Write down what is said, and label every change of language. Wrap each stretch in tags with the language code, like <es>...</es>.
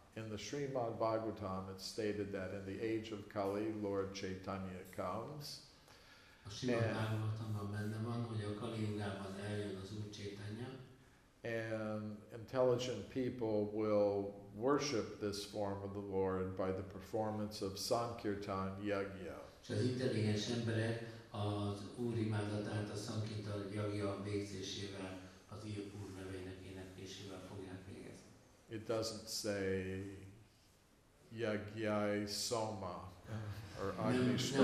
<en>In the Srimad Bhagavatam it's stated that in the age of Kali Lord Chaitanya comes.</en> <hu>A Srimad-bhágavatamban benne van, hogy a Kali-yugában eljön az Úr Chaitanya.</hu> <en>And intelligent people will worship this form of the Lord by the performance of Sankirtan Yagya.</en> <hu>És az intelligens emberek az Úr imádatát a Sankita Jagya végzésével, az Úr nevének éneklésével fogják végezni.</hu> <en>It doesn't say Yagyai Soma or Agni Soma.</en>